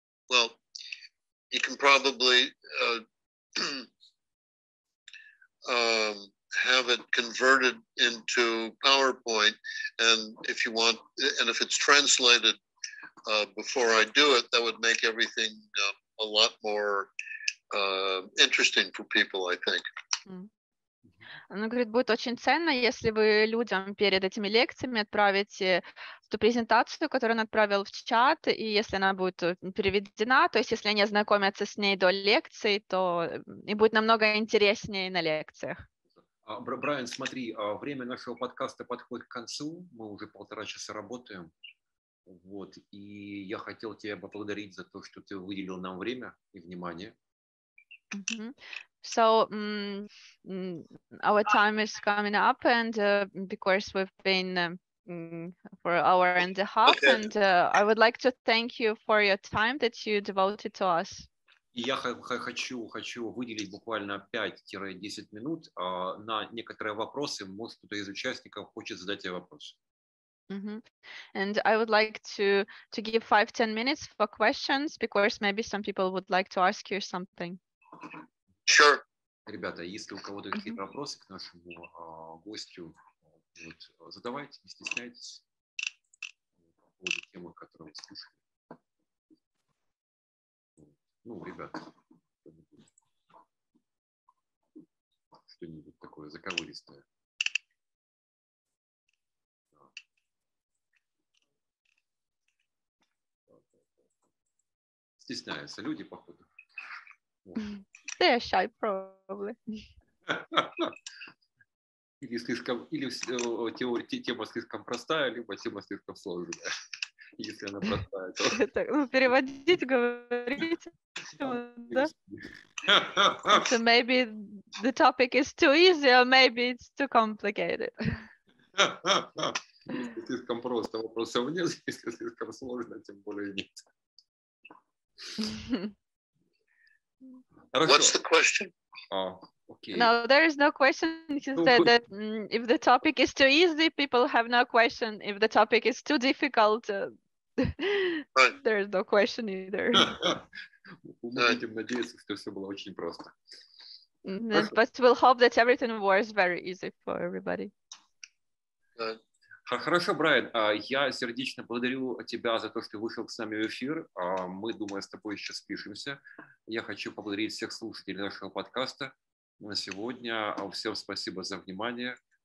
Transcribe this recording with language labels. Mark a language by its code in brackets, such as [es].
[en] Well, you can probably have it converted into PowerPoint, and if you want, and if it's translated before I do it, that would make everything a lot more interesting for people, I think. [ru] Она говорит, будет очень ценно, если вы людям перед этими лекциями отправите ту презентацию, которую он отправил в чат, и если она будет переведена, то есть если они ознакомятся с ней до лекции, то им будет намного интереснее на лекциях. Брайан, смотри, время нашего подкаста подходит к концу, мы уже 1.5 часа работаем, вот, и я хотел тебя поблагодарить за то, что ты выделил нам время и внимание. [en] So our time is coming up, and because we've been for an hour and a half, okay. And I would like to thank you for your time that you devoted to us. [ru] Я хочу выделить буквально 5-10 минут на некоторые вопросы. Может, кто-то из участников хочет задать тебе вопрос. [en] And I would like to give 5-10 minutes for questions, because maybe some people would like to ask you something. Sure. [ru] Ребята, если у кого-то какие-то вопросы к нашему гостю, вот, задавайте, не стесняйтесь по поводу темы, которую вы слушали. Ну, ребята, что-нибудь такое заковыристое. Стесняются люди, походу. [en] They are shy, probably. [ru] Или слишком, или тема слишком простая, либо тема слишком сложная. Если она простая, то... Так, ну, переводить, говорить. [en] So maybe the topic is too easy, or maybe it's too complicated. [ru] Если слишком просто, вопросов нет. Если слишком сложно, тем более нет. Хорошо. [en] What's the question? Okay. No, there is no question. He said that if the topic is too easy, people have no question. If the topic is too difficult, there is no question either. [ru] Мы будем надеяться, что все было очень просто. [en] But we'll hope that everything was very easy for everybody. [ru] Хорошо, Брайан, я сердечно благодарю тебя за то, что вышел с нами в эфир. Мы, думаю, с тобой еще спишемся. Я хочу поблагодарить всех слушателей нашего подкаста на сегодня. Всем спасибо за внимание.